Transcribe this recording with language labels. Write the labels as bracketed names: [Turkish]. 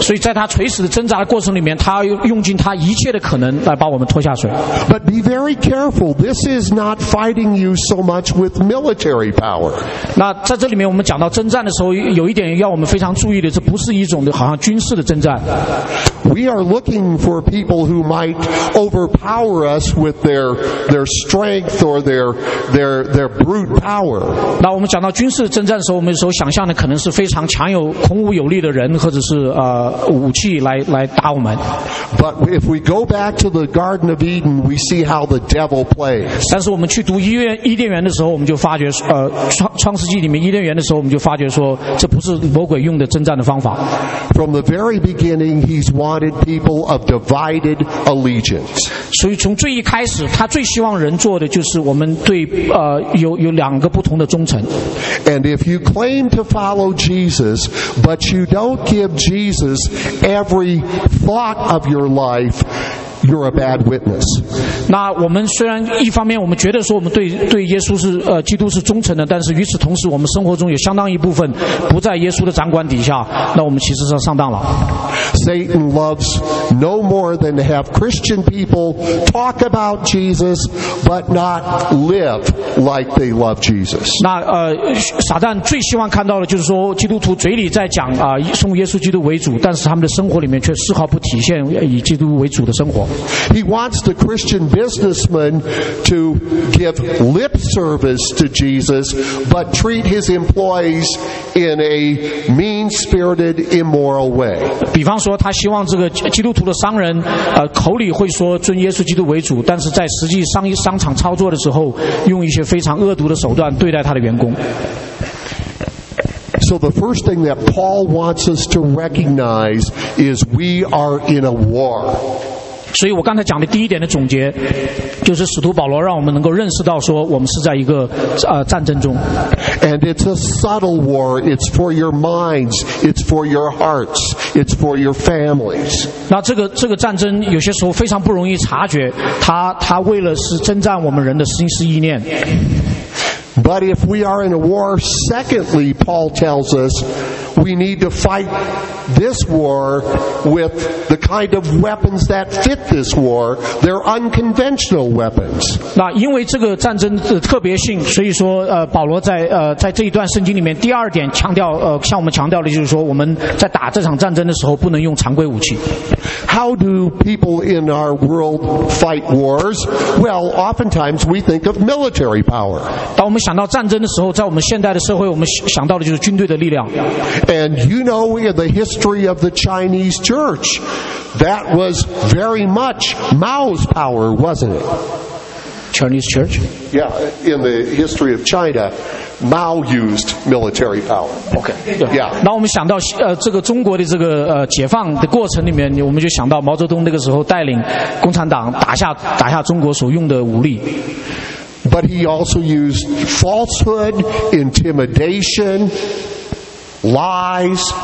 [Chinese] 所以在他垂死挣扎的过程里面, 他用尽他一切的可能来把我们拖下水。 [English] But be very careful. This is not fighting you so much with military power. [Chinese] 那在这里面我们讲到征战的时候, 有一点要我们非常注意的, 这不是一种的好像军事的征战。 [English] We are looking for people who might overpower us with their strength or their brute power. [Chinese] 那我们讲到军事征战的时候, 我们所想象的可能是非常强有孔武有力的人, 或者是, 武器来打我们。 [English] But if we go back to the Garden of Eden, we see how the devil plays. [Chinese] 但是我们去读伊甸园的时候, 我们就发觉, 创世纪里面伊甸园的时候, 我们就发觉说, 这不是魔鬼用的征战的方法。 [English] From the very beginning, he's wanted people of divided allegiance. [Chinese] 所以从最一开始, 他最希望人做的就是我们对, 有两个不同的忠诚。 [English] And if you claim to follow Jesus, but you don't give Jesus every thought of your life, you're a bad witness. [Chinese] 那我们虽然一方面我们觉得说我们对耶稣是, 基督是忠诚的, 但是与此同时我们生活中有相当一部分不在耶稣的掌管底下, 那我们其实是上当了。 [English] Satan loves no more than to have Christian people talk about Jesus but not live like they love Jesus. [Chinese] 那, 撒旦最希望看到的就是说基督徒嘴里在讲, 送耶稣基督为主, 但是他们的生活里面却丝毫不体现以基督为主的生活。 [English] He wants the Christian businessman to give lip service to Jesus, but treat his employees in a mean-spirited, immoral way. [Chinese] 比方说他希望这个基督徒的商人, 口里会说尊耶稣基督为主, 但是在实际商场操作的时候, 用一些非常恶毒的手段对待他的员工。 [English] So the first thing that Paul wants us to recognize is we are in a war. [Chinese] 所以我刚才讲的第一点的总结, 就是使徒保罗让我们能够认识到说我们是在一个, 战争中。 [English] And it's a subtle war. It's for your minds. It's for your hearts. It's for your families. [Chinese] 那这个战争有些时候非常不容易察觉, 它为了是征战我们人的心思意念。 [English] But if we are in a war, secondly, Paul tells us, we need to fight this war with the kind of weapons that fit this war. They're unconventional weapons. [Chinese] 那因为这个战争的特别性, 所以说, 保罗在, 在这一段圣经里面, 第二点强调, 向我们强调的就是说, 我们在打这场战争的时候不能用常规武器。 [English] How do people in our world fight wars? Well, oftentimes we think of military power. [Chinese] 当我们想到战争的时候, 在我们现代的社会, 我们想到的就是军队的力量。 [English] And you know the history of the Chinese church. That was very much Mao's power, wasn't it? Chinese church? Yeah, in the history of China, Mao used military power. Okay. Yeah. [Chinese] 那我们想到, 这个中国的这个, 解放的过程里面, 我们就想到毛泽东那个时候带领共产党打下中国所用的武力。 [English] But he also used falsehood, intimidation, lies.